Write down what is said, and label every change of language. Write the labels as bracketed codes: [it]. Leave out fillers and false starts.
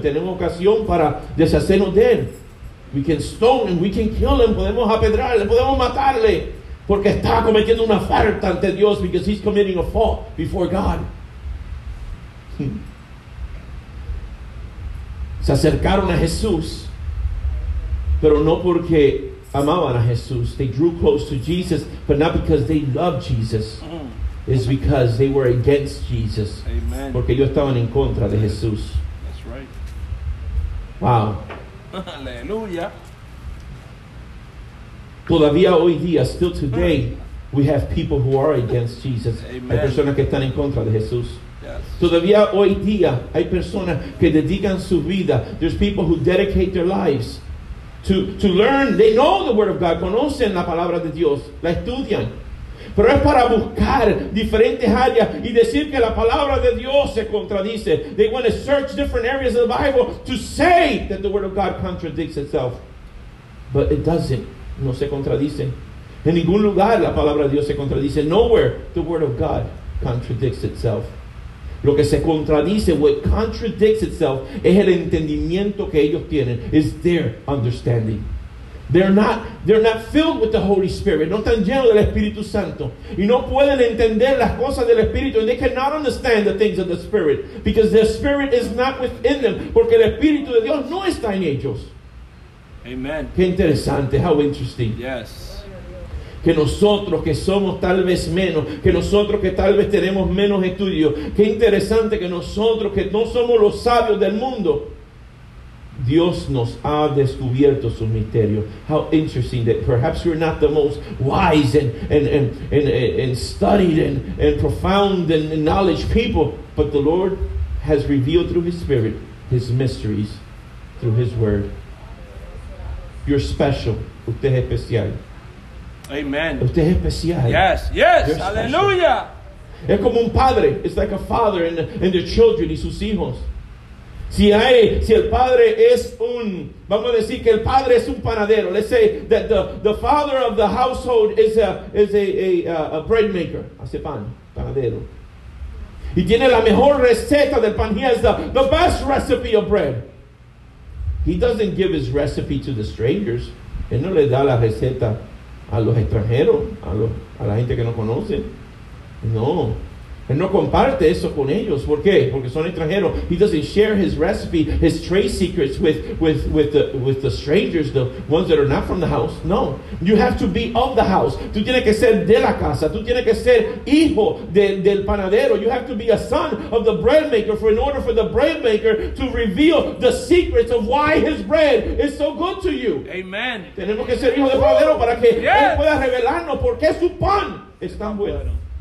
[es] Tenemos ocasión para deshacernos de él. [en] We can stone him, we can kill him, [es] podemos apedrarle, podemos matarle, porque está cometiendo una falta ante Dios, [en] because he's committing a fault before God. [es] Se acercaron a Jesús, pero no porque amaban a Jesús. [en] They drew close to Jesus, but not because they loved Jesus. It's because they were against Jesus. Amen. [es] Porque ellos estaban en contra de Jesús. [en] That's right. Wow. [es] Aleluya. Todavía hoy día, [en] still today, we have people who are against Jesus. Amen. [es] Hay personas que están en contra de Jesús. [en] Yes. [es] Todavía hoy día hay personas que dedican su vida. [en] There's people who dedicate their lives to learn. They know the word of God. [es] Conocen la palabra de Dios. La estudian. Pero es para buscar diferentes áreas y decir que la palabra de Dios se contradice. [en] They want to search different areas of the Bible to say that the word of God contradicts itself. But it doesn't. [es] No se contradice. En ningún lugar la palabra de Dios se contradice. [en] Nowhere the word of God contradicts itself. [es] Lo que se contradice, [en] what contradicts itself, [es] es el entendimiento que ellos tienen, [en] is their understanding. They're not filled with the Holy Spirit. [es] No están llenos del Espíritu Santo. Y no pueden entender las cosas del Espíritu. [en] And they cannot understand the things of the Spirit. Because their Spirit is not within them. [es] Porque el Espíritu de Dios no está en ellos. [en] Amen. [es] Qué interesante. [en] How interesting. Yes. [es] Que nosotros que somos tal vez menos, que nosotros que tal vez tenemos menos estudios, qué interesante que nosotros que no somos los sabios del mundo, Dios nos ha descubierto sus misterios. [en] How interesting that perhaps we're not the most wise and studied and profound and knowledge people, but the Lord has revealed through His Spirit His mysteries through His Word. You're special. [es] Usted es especial. [en] Amen. [es] Usted es especial. [en] Yes, yes, aleluya. [es] Es como un padre. [en] It's like a father and their children [es] y sus hijos. Si el padre es un, vamos a decir que el padre es un panadero. [en] Let's say that the father of the household is a bread maker. [es] Hace pan, panadero. Y tiene la mejor receta del pan. [en] He has the best recipe of bread. He doesn't give his recipe to the strangers. [es] Él no le da la receta a los extranjeros, a la gente que no conoce. No. Él no comparte eso con ellos. ¿Por qué? Porque son extranjeros. [en] He doesn't share his recipe, his trade secrets with the strangers, the ones that are not from the house. No. You have to be of the house. [es] Tú tienes que ser de la casa. Tú tienes que ser hijo del panadero. [en] You have to be a son of the bread maker in order for the bread maker to reveal the secrets of why his bread is so good to you. Amen. [es] Tenemos que ser hijo del panadero para que él pueda revelarnos por qué su pan es tan bueno.